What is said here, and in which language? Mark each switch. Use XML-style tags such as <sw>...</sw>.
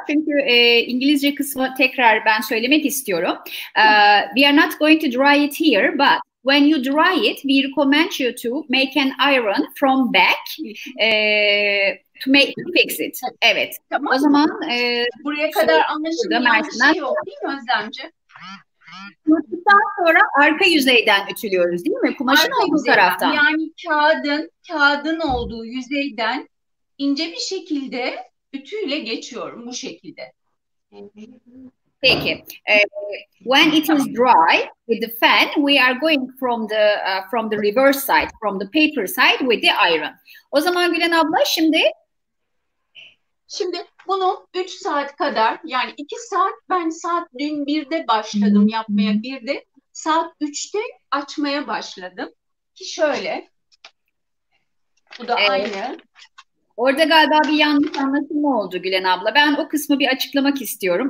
<tr>Çünkü İngilizce kısmı tekrar ben söylemek istiyorum.</tr> <en>We are not going to dry it here, but when you dry it, we recommend you to make an iron from back to fix it.</en> <tr>Evet. Tamam. O zaman buraya kadar anlaşılmış bir şey yok değil mi Özlemci? Sonra arka yüzeyden ütülüyoruz değil mi? Kumaşın arka olduğu taraftan. Yani kağıdın olduğu yüzeyden ince bir şekilde ütüyle geçiyorum bu şekilde. Peki.</tr> <en>When it is dry with the fan, we are going from the reverse side, from the paper side with the iron.</en> <tr>O zaman Gülen abla şimdi bunu 3 saat kadar, yani 2 saat, ben saat dün 1'de başladım yapmaya, 1'de saat 3'te açmaya başladım ki şöyle. Bu da aynı. Orada galiba bir yanlış anlatımı oldu Gülen abla. Ben o kısmı bir açıklamak istiyorum.</tr>